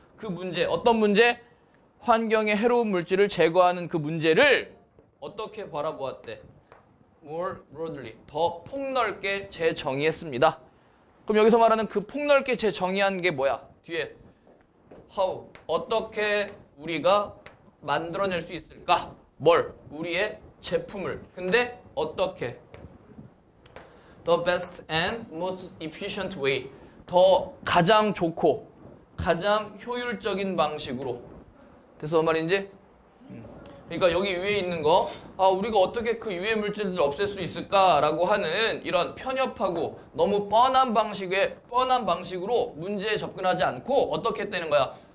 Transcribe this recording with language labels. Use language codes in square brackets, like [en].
[ko] 그 문제, 어떤 문제? 환경에 해로운 물질을 제거하는 그 문제를 어떻게 바라보았대? [en] more broadly, [ko] 더 폭넓게 재정의했습니다. 그럼 여기서 말하는 그 폭넓게 재정의한 게 뭐야? 뒤에 how, 어떻게 우리가 만들어낼 수 있을까? 뭘? 우리의 제품을. 근데 어떻게? [en] The best and most efficient way. [ko] 더 가장 좋고 가장 효율적인 방식으로. 됐어, 뭔 말인지? 그러니까 여기 위에 있는 거, 우리가 어떻게 그 유해 물질들을 없앨 수 있을까라고 하는 이런 편협하고 너무 뻔한 방식으로 문제에 접근하지 않고 어떻게 했다는 거야?